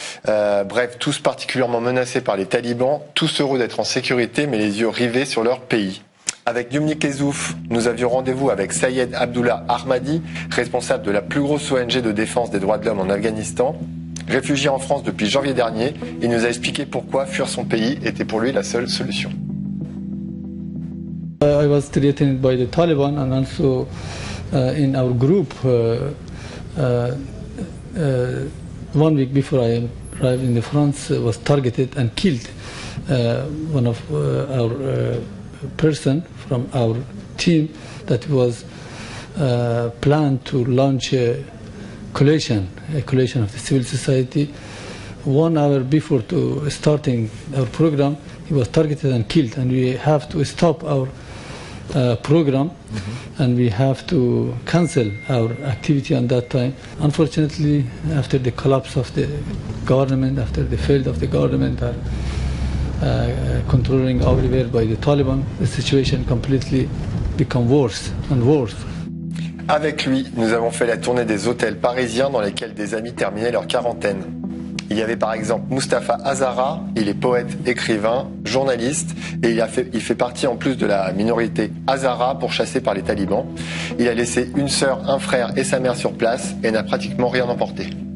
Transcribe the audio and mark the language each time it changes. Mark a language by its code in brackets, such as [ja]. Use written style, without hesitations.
[fr] Bref, tous particulièrement menacés par les talibans, tous heureux d'être en sécurité, mais les yeux rivés sur leur pays. Avec Yumni Kezouf, nous avions rendez-vous avec Sayed Abdullah Ahmadi, responsable de la plus grosse ONG de défense des droits de l'homme en Afghanistan. Réfugié en France depuis janvier dernier, il nous a expliqué pourquoi fuir son pays était pour lui la seule solution. [en] I was threatened by the Taliban and also in our group 1 week before I arrived in the France was targeted and killed one of our person from our team that was planned to launch a collision of the civil society. 1 hour before to starting our program, he was targeted and killed, and we have to stop our program, mm-hmm. and we have to cancel our activity on that time. Unfortunately, after the collapse of the government, after the failed of the government are controlling everywhere by the Taliban, the situation completely become worse and worse. [fr] Avec lui, nous avons fait la tournée des hôtels parisiens dans lesquels des amis terminaient leur quarantaine. Il y avait par exemple Mustapha Azara, il est poète, écrivain, journaliste, et il fait partie en plus de la minorité Azara pourchassée par les talibans. Il a laissé une sœur, un frère et sa mère sur place et n'a pratiquement rien emporté.